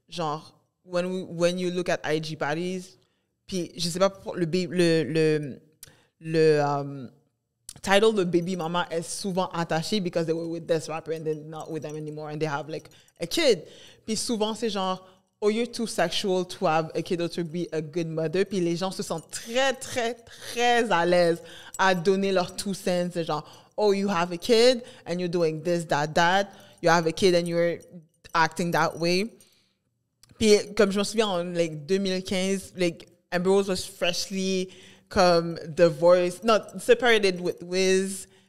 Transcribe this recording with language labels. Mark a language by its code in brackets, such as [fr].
[fr] Genre, [en] when you look at IG bodies, [fr] puis je sais pas, le title de baby mama est souvent attaché [en] because they were with this rapper and they're not with them anymore and they have like a kid. [fr] Puis souvent c'est genre, [en] oh, you're too sexual to have a kid or to be a good mother. [fr] Puis les gens se sentent très, très, très à l'aise à donner leur [en] two cents. [fr] C'est genre, [en] oh, you have a kid and you're doing this, that. You have a kid and you're acting that way. [fr] Puis comme je me souviens, en [en] like, [fr] 2015, like, Amber Rose [en] was freshly [fr] comme [en] divorce, not separated with Wiz.